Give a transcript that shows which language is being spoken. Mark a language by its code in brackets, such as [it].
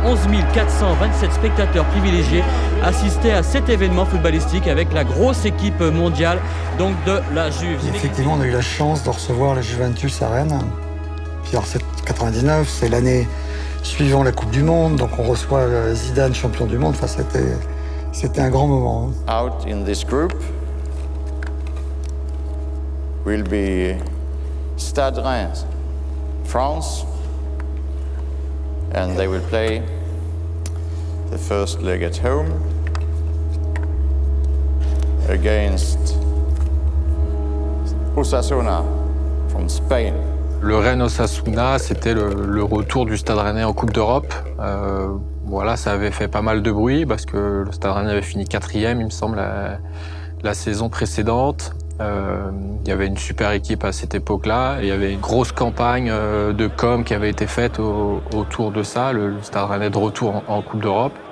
[fr] 11 427 spectateurs privilégiés assistaient à cet événement footballistique avec la grosse équipe mondiale donc de la Juve. Effectivement, on a eu la chance de recevoir la Juventus à Rennes. Puis alors, 99, c'est l'année suivant la Coupe du Monde, donc on reçoit Zidane, champion du monde. Enfin, c'était un grand moment. [en] Out in this group will be Stade Rennes, France, and they will play the first leg at home against Osasuna from Spain. [fr] Le Rennes-Osasuna, c'était le retour du Stade Rennais en Coupe d'Europe. Voilà, ça avait fait pas mal de bruit parce que le Stade Rennais avait fini quatrième, il me semble, la saison précédente. Il y avait une super équipe à cette époque-là. Il y avait une grosse campagne de com qui avait été faite autour de ça, le Stade Rennais de retour en Coupe d'Europe.